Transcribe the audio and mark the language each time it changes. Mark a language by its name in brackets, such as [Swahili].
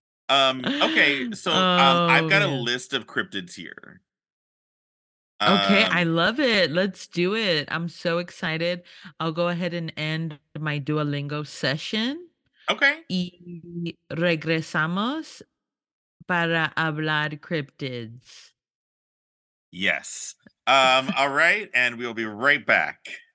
[English] Okay, so I've got a list of cryptids here. Okay, I love it. Let's do it. I'm so excited. I'll go ahead and end my Duolingo session. Okay. [Spanish] Y regresamos para hablar cryptids. [English] Yes. all right, and we will be right back.